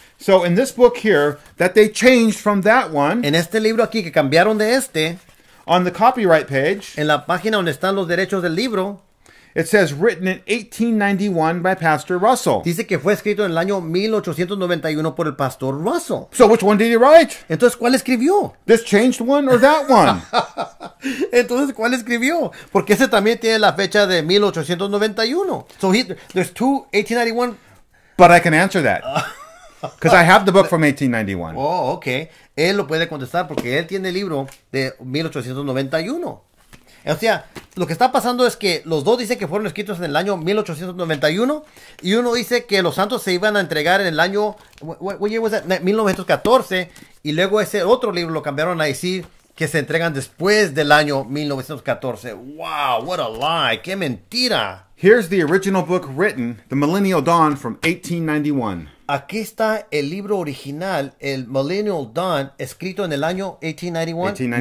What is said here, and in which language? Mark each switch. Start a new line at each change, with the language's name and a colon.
English: So in this book here, that they changed from that one...
Spanish: En este libro aquí que cambiaron de este...
English: On the copyright page...
Spanish: En la página donde están los derechos del libro...
English: It says, written in 1891 by Pastor Russell.
Spanish: Dice que fue escrito en el año 1891 por el Pastor Russell.
English: So which one did he write?
Spanish: Entonces, ¿cuál escribió?
English: This changed one or that one?
Spanish: Entonces, ¿cuál escribió? Porque ese también tiene la fecha de 1891.
English: So there's two 1891. But I can answer that. Because I have the book from 1891. Oh, okay.
Spanish: Él lo puede contestar porque él tiene el libro de 1891. O sea, lo que está pasando es que los dos dicen que fueron escritos en el año 1891 y uno dice que los santos se iban a entregar en el año 1914 y luego ese otro libro lo cambiaron a decir que se entregan después del año 1914.
English: Wow, what a lie,
Spanish: qué mentira.
English: Here's the original book written, The Millennial Dawn from 1891.
Spanish: Aquí está el libro original, el Millennial Dawn, escrito en el año 1891.